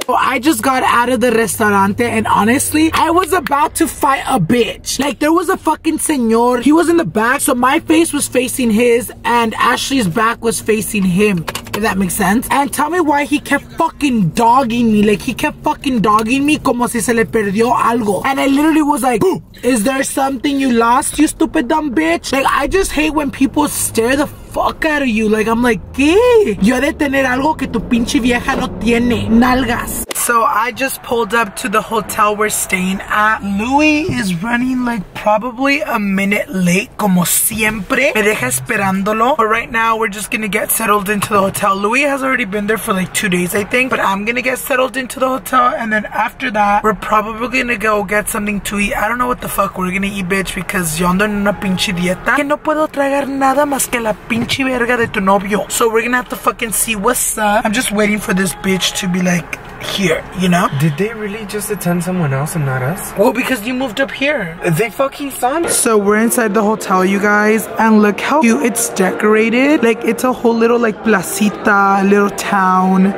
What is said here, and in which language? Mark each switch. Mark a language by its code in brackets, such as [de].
[en] So I just got out of the restaurante and honestly, I was about to fight a bitch. Like, there was a fucking señor. He was in the back, so my face was facing his and Ashley's back was facing him. If that makes sense. And tell me why he kept fucking dogging me. Like, he kept fucking dogging me como si se le perdió algo. And I literally was like, is there something you lost, you stupid dumb bitch? Like, I just hate when people stare the fuck out of you. Like, I'm like, ¿qué? [es] Yo de tener algo que tu pinche vieja no tiene. Nalgas. [en] So I just pulled up to the hotel we're staying at. Louie is running like probably a minute late, como siempre. Me deja esperándolo. But right now we're just gonna get settled into the hotel. Louie has already been there for like 2 days, I think. But I'm gonna get settled into the hotel. And then after that, we're probably gonna go get something to eat. I don't know what the fuck we're gonna eat, bitch, because yo ando en una pinche dieta. [es] Que no puedo tragar nada más que la pinche verga de tu novio. [en] So we're gonna have to fucking see what's up. I'm just waiting for this bitch to be like, here, you know? Did they really just attend someone else and not us? Well, because you moved up here. They fucking saw me. So we're inside the hotel, you guys, and look how cute it's decorated. Like, it's a whole little, like, placita, little town.